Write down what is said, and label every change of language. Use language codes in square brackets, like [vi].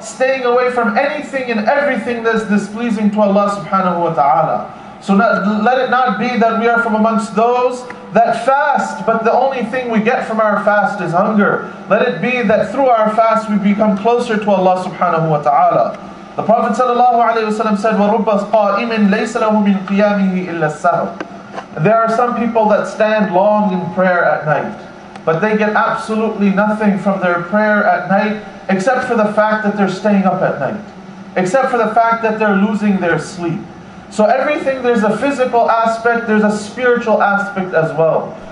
[en] Staying away from anything and everything that's displeasing to Allah subhanahu wa ta'ala. So let it not be that we are from amongst those that fast, but the only thing we get from our fast is hunger. Let it be that through our fast we become closer to Allah subhanahu wa ta'ala. The Prophet sallallahu alayhi wa sallam said, [ar] وَرُبَّ قَائِمٍ لَيْسَ لَهُ مِنْ قِيَامِهِ إِلَّا السَّهْوُ. [en] There are some people that stand long in prayer at night, but they get absolutely nothing from their prayer at night, except for the fact that they're staying up at night, except for the fact that they're losing their sleep. So everything, there's a physical aspect, there's a spiritual aspect as well.